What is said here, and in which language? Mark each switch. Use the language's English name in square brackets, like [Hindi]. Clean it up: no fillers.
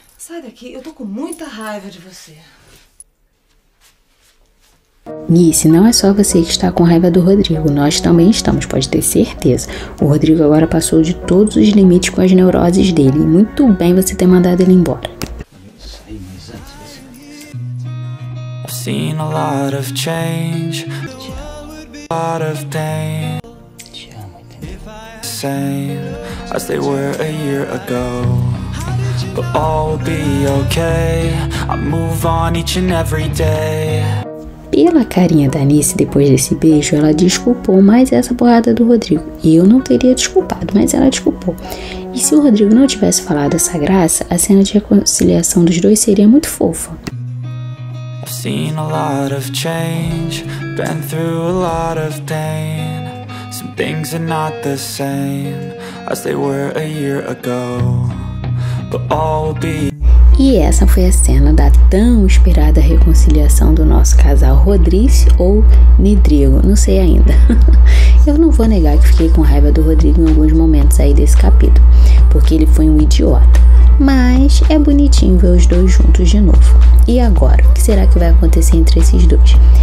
[Portuguese] Sai daqui, eu tô com muita raiva de você. Nice, não é só você que está com raiva do Rodrigo, nós também estamos, pode ter certeza. O Rodrigo agora passou de todos os limites com as neuroses dele. Muito bem você ter mandado ele embora. [English] I've seen a lot of change, a lot of pain. Same as they were a year ago. But all will be okay. I move on each and every day. [Portuguese] Pela carinha da Nice, depois desse beijo, ela desculpou mais essa porrada do Rodrigo. E eu não teria desculpado, mas ela desculpou. E se o Rodrigo não tivesse falado essa graça, a cena de reconciliação dos dois seria muito fofa. [English] I've seen a lot of change, been through a lot of pain. Some things are not the same as they were a year ago, but all will be. [Portuguese] E essa foi a cena da tão esperada reconciliação do nosso casal Rodrigo ou Nidrigo, não sei ainda. Eu não vou negar que fiquei com raiva do Rodrigo em alguns momentos aí desse capítulo, porque ele foi um idiota. Mas é bonitinho ver os dois juntos de novo. E agora, o que será que vai acontecer entre esses dois?